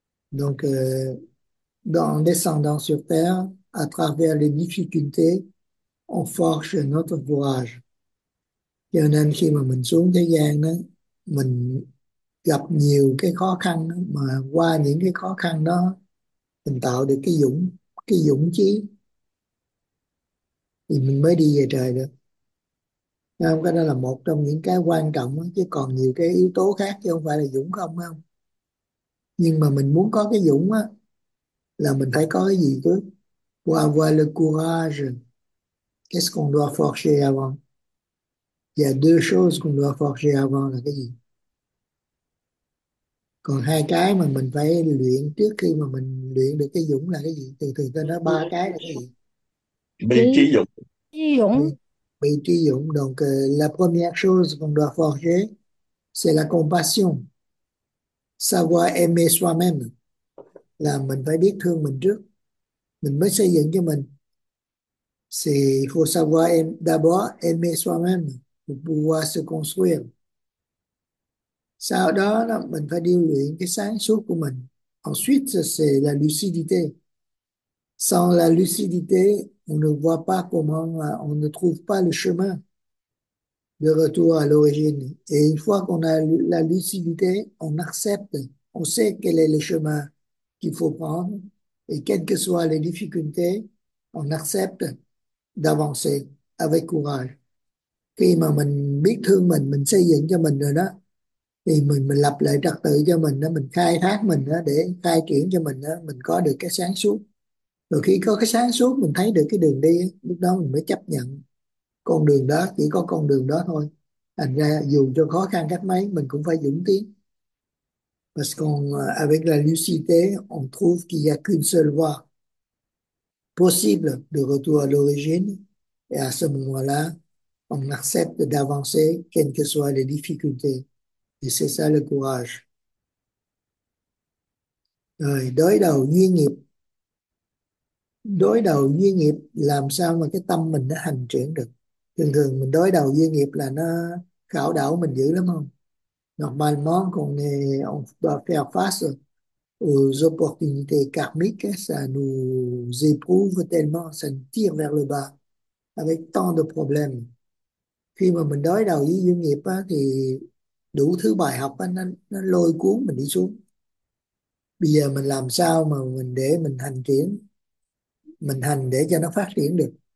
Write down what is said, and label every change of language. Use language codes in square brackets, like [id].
[fr] Donc, en descendant sur Terre, à travers les difficultés, on forge notre courage. [vi] Cho nên khi mà mình xuống thế gian đó, mình gặp nhiều cái khó khăn đó, mà qua những cái khó khăn đó mình tạo được cái dũng chí thì mình mới đi về trời được. Không, cái đó là một trong những cái quan trọng đó, chứ còn nhiều cái yếu tố khác chứ không phải là dũng không không. Nhưng mà mình muốn có cái dũng á là mình phải có cái gì chứ? [fr] Pour avoir le courage, qu'est-ce qu'on doit forger avant? Il y a deux choses qu'on doit forger avant [vi] là cái gì? Còn hai cái mà mình phải luyện trước khi mà mình luyện được cái dũng là cái gì? Từ từ tôi nói ba cái là cái gì? Bị trí dụng Dũng. Bị trí dũng. [fr] Donc la première chose qu'on doit forger, c'est la compassion. Savoir aimer soi-même. [vi] Là mình phải biết thương mình trước. Mình mới xây dựng cho mình. [fr] C'est faut savoir aimer, d'abord aimer soi-même pour pouvoir se construire. [vi] Sau đó, đó mình phải điều luyện cái sáng suốt của mình. [fr] Ensuite, c'est la lucidité. Sans la lucidité, on ne voit pas comment, on ne trouve pas le chemin de retour à l'origine. Et une fois qu'on a la lucidité, on accepte, on sait quel est le chemin qu'il faut prendre. Et quelles que soient les difficultés, on accepte d'avancer avec courage. [vi] Khi mà mình biết thương mình xây dựng cho mình rồi đó, thì mình lập lại trật tự cho mình đó, mình khai thác mình đó, để khai triển cho mình đó, mình có được cái sáng suốt. Rồi khi có cái sáng suốt, mình thấy được cái đường đi, lúc đó mình mới chấp nhận con đường đó, chỉ có con đường đó thôi. Thành ra dù cho khó khăn cách mấy, mình cũng phải dũng tiến. [fr] Parce qu'on, avec la lucidité, on trouve qu'il n'y a qu'une seule voie possible de retour à l'origine. Et à ce moment-là, on accepte d'avancer, quelles que soient les difficultés. Et c'est ça le courage. [vi] Rồi, đối đầu duyên nghiệp. Đối đầu duyên nghiệp làm sao mà cái tâm mình nó hành chuyển được. Thường thường mình đối đầu duyên nghiệp là nó khảo đảo mình dữ lắm không? [fr] Normalement, quand on doit faire face aux opportunités karmiques, ça nous éprouve tellement, ça nous tire vers le bas avec tant de problèmes. [vi] Khi mà mình đối đầu với duyên nghiệp á, thì đủ thứ bài học á, nó lôi cuốn mình đi xuống. Bây giờ mình làm sao mà mình để mình hành triển, mình hành để cho nó phát triển được.